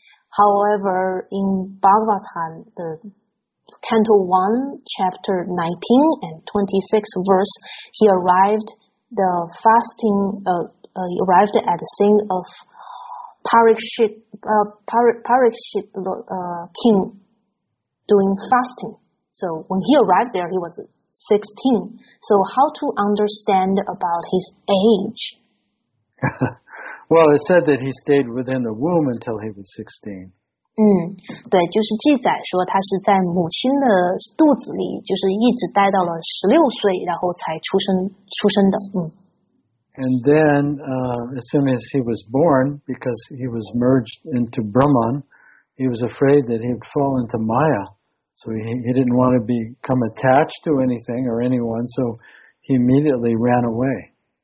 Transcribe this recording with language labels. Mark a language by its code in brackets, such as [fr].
[en] However, in Bhagavatam, the Canto 1, Chapter 19 and 26 verse, he arrived the fasting, he arrived at the scene of Parikshit, king doing fasting. So when he arrived there, he was 16. So how to understand about his age? Well, it said that he stayed within the womb until he was 16. [zh] 对，就是记载说他是在母亲的肚子里，就是一直待到了16岁，然后才出生的。 [en] And then, as soon as he was born, because he was merged into Brahman, he was afraid that he would fall into Maya. So he didn't want to become attached to anything or anyone, so he immediately ran away.